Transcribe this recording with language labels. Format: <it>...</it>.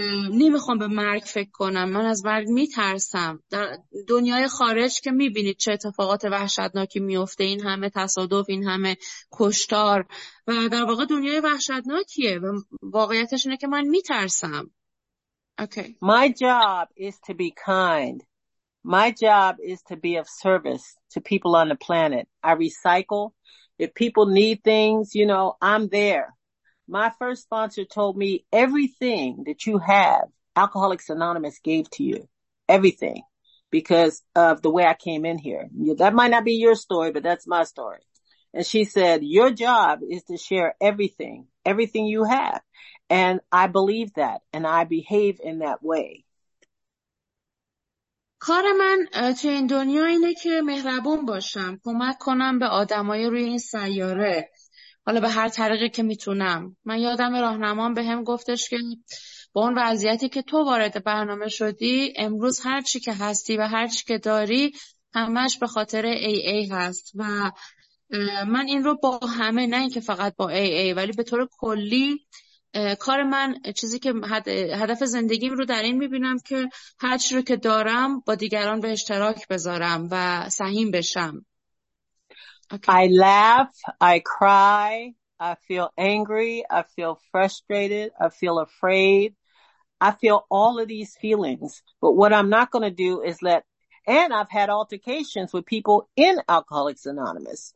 <fa>نمیخوام به مرگ فکر کنم، من از مرگ میترسم. در دنیای خارج که میبینید چه اتفاقات وحشتناکی میفته، این همه تصادف، این همه کشتار، و در واقع دنیای وحشتناکیه و واقعیتش اینه که من میترسم.</fa> <en>Okay. My job is to be kind. My job is to be of service to people on the planet. I recycle. If people need things, you know, I'm there. My first sponsor told me everything that you have, Alcoholics Anonymous gave to you, everything, because of the way I came in here. That might not be your story, but that's my story. And she said, your job is to share everything, everything you have. And I believe that, and I behave in that way.</en> <fa>کار من توی این دنیا اینه که مهربون باشم، کمک کنم به آدمای روی این سیاره، حالا به هر طریقی که میتونم. من یادم راهنمام به هم گفتش که با اون وضعیتی که تو وارد برنامه شدی، امروز هر چی که هستی و هر چی که داری همش به خاطر AA هست. و من این رو با همه، نه اینکه فقط با AA، ولی به طور کلی کار من، چیزی که هدف زندگیم رو در این میبینم که هر چی رو که دارم با دیگران به اشتراک بذارم و سهیم بشم.</fa> <en>Okay. I laugh, I cry, I feel angry, I feel frustrated, I feel afraid. I feel all of these feelings. But what I'm not going to do is let And I've had altercations with people in Alcoholics Anonymous.</en>